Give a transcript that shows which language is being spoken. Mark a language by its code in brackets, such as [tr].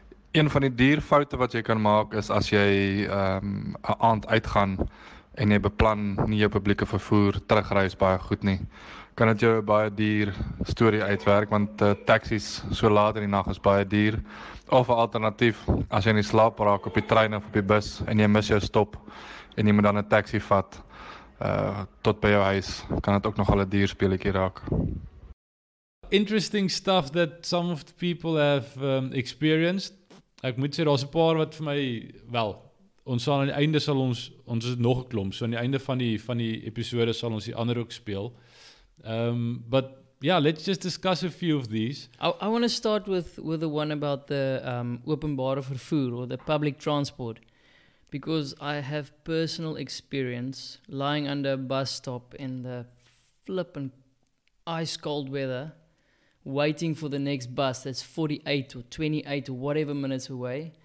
[af] Een van die duur foute wat jy kan maak is as jy 'n aand uitgaan en jy beplan nie jou publieke vervoer terugreis baie goed nie, kan dit jou baie duur storie uitwerk, want taxis so laat in die nag is baie duur. Of 'n alternatief, as jy nie slaap raak op die trein of op die bus en jy mis jou stop en jy moet dan 'n taxi vat tot by jou huis, kan dit ook nogal 'n duur speletjie raak. [en] Interesting stuff that some of the people have experienced. [af] Ek moet sê, daar's 'n paar wat vir my, wel, ons sal aan die einde sal ons is nog 'n klomp, so aan die einde van die episode sal ons die ander ook speel. [en] But yeah, let's just discuss a few of these. I want to start with the one about the openbare vervoer, or the public transport, because I have personal experience lying under a bus stop in the flippin' ice cold weather, waiting for the next bus that's 48 or 28 or whatever minutes away.